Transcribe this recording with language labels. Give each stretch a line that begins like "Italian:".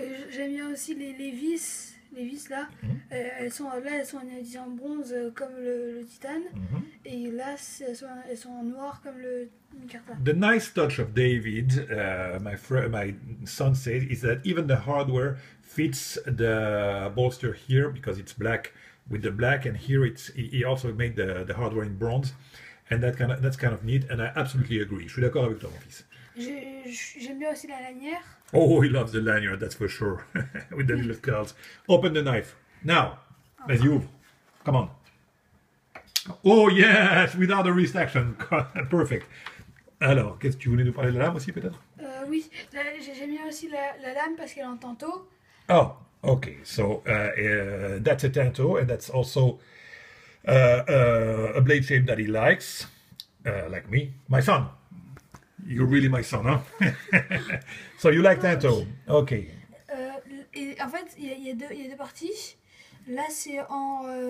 French: J'aime bien aussi les vis là, elles sont en bronze comme le titane, et là elles sont en noir comme le micarta.
English: The nice touch of David, my son said, is that even the hardware fits the bolster here because it's black with the black, and here it's he also made the hardware in bronze, and that's kind of neat, and I absolutely agree.
French: Je suis d'accord avec ton fils. J'aime bien aussi la lanière.
English: Oh, he loves the lanyard, that's for sure. With the little curls. Open the knife. Now, let's move. Come on. Oh, yes, without a wrist action. Perfect.
French: Alors, qu'est-ce que tu voulais nous parler de la lame aussi, peut-être? Oui, j'aime bien aussi la lame parce qu'elle est en tanto.
English: Oh, okay. So, that's a tanto, and that's also a blade shape that he likes, like me, my son. You're really my son, huh? So you like tanto, okay.
French: En fait, il y a deux parties. Là, c'est en...